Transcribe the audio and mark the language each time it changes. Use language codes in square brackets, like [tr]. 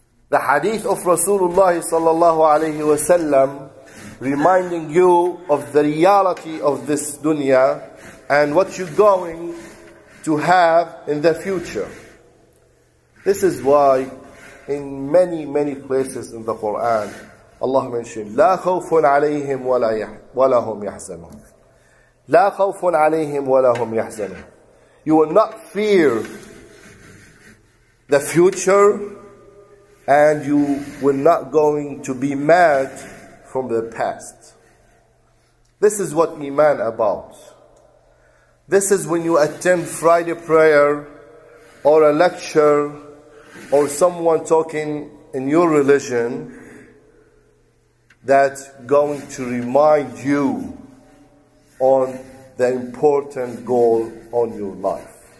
[en] The hadith of Rasulullah sallallahu alayhi wa sallam reminding you of the reality of this dunya and what you're going to have in the future. This is why in many, many places in the Quran, Allah mentioned, [ar] لا خوف عليهم ولا هم يحزنون. لا خوف عليهم ولا هم يحزنون. [en] You will not fear the future, and you will not going to be mad from the past. This is what Iman about. This is when you attend Friday prayer or a lecture or someone talking in your religion that going to remind you on the important goal on your life.